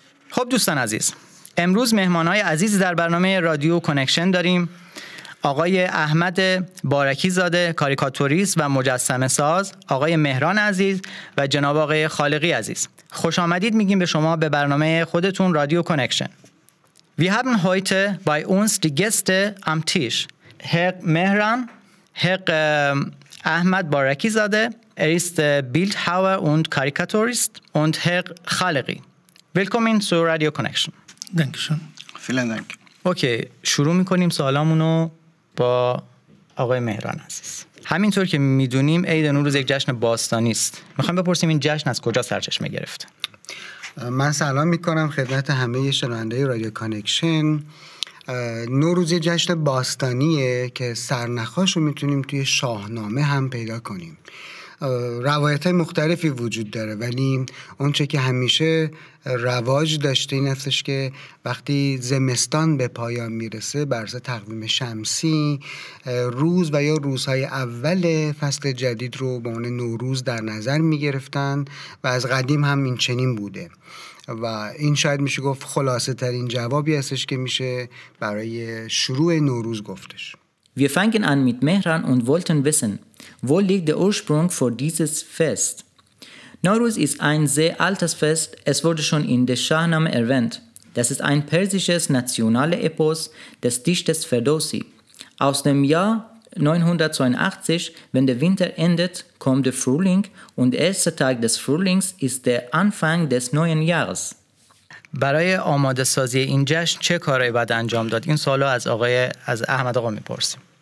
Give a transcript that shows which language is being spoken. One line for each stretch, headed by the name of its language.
Persian: خب دوستان عزیز، امروز مهمانهای عزیز در برنامه رادیو کانکشن داریم. آقای احمد بارکی زاده، کاریکاتوریست و مجسمه ساز، آقای مهران عزیز و جناب آقای خالقی عزیز. خوش آمدید میگیم به شما به برنامه خودتون رادیو کانکشن.
German: Wir haben heute bei uns die Gäste am Tisch. Herr Mehran, Herr Ahmed Baraki zade, er ist Bildhauer und Karikaturist und Herr Khalegi. Willkommen zu Radio Connection. Dankeschön. Vielen Dank.
Persian: Okay, شروع میکنیم سوالامونو با آقای مهران عزیز. همینطور که میدونیم عید نوروز یک جشن باستانی است. میخوام بپرسیم این جشن از کجا سرچشمه گرفت؟ من سلام میکنم خدمت همه شنونده‌های رادیو کانکشن. نوروز جشن باستانیه که سرنخاشو میتونیم توی شاهنامه هم پیدا کنیم. روایت های مختلفی وجود داره، ولی اون چه که همیشه رواج داشته این هستش که وقتی زمستان به پایان میرسه، برسه تقویم شمسی، روز و یا روزهای اول فصل جدید رو به عنوان نوروز در نظر میگرفتن و از قدیم هم این چنین بوده و این شاید میشه گفت خلاصه ترین جوابی هستش که میشه برای شروع نوروز گفتش.
German: Wir fangen an mit Mehran und wollten wissen, wo liegt der Ursprung für dieses Fest? Nowruz ist ein sehr altes Fest, es wurde schon in der Shahnameh erwähnt. Das ist ein persisches nationales Epos des Dichters Ferdowsi. Aus dem Jahr 982, wenn der Winter endet, kommt der Frühling und der erste Tag des Frühlings ist der Anfang des neuen Jahres.
Persian: برای آماده سازی این جشن چه کارهایی باید انجام داد؟ این سوالو از احمد آقا میپرسیم.